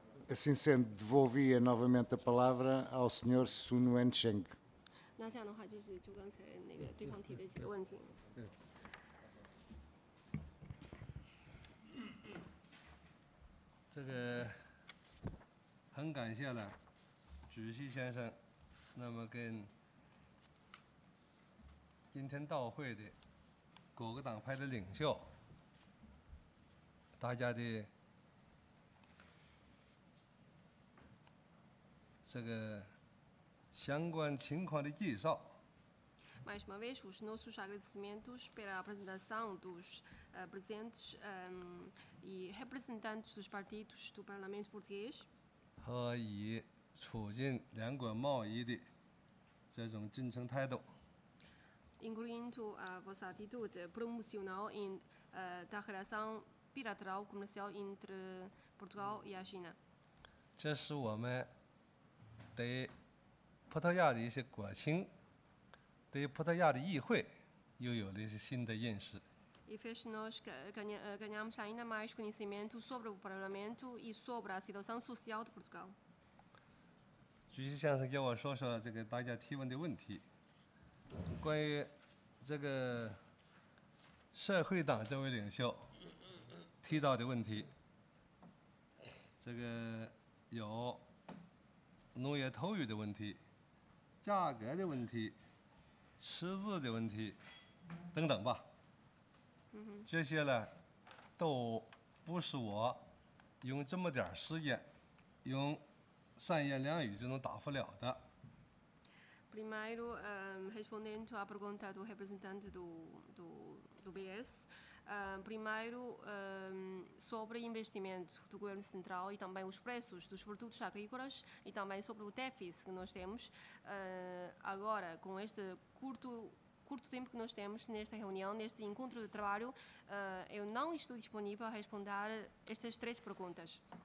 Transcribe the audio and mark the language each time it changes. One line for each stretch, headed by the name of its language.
Portuguese: Assim sendo, devolvia novamente a palavra ao senhor Sun Wencheng.
Chinese: 那这样的话就是就刚才那个对方提的几个问题。这个很感谢了主席先生，那么跟今天到会的各个党派的领袖，大家的这个相关情况的介绍。
Portuguese: Mais uma vez, os nossos agradecimentos pela apresentação dos presentes e representantes dos partidos do Parlamento Português. E incluindo a vossa atitude promocional da relação bilateral comercial entre Portugal e a China. Isso é o que nós temos de
Chinese: 对葡萄牙的议会又有了一些新的认识。
Portuguese: E fez nós ganhamos ainda mais conhecimento sobre o Parlamento e sobre a situação social de Portugal.
Chinese: 主席先生给我说说这个大家提问的问题，关于这个社会党这位领袖提到的问题，这个有农业投入的问题，价格的问题。识字的问题等等吧，这些呢都不是我用这么点时间用三言两语就能答复了的。
Portuguese: Primeiro, respondendo à pergunta do representante do BS, primeiro, sobre investimento do Governo Central e também os preços dos produtos agrícolas e também sobre o déficit que nós temos, agora com este curto tempo que nós temos nesta reunião, neste encontro de trabalho, eu não estou disponível a responder estas três perguntas.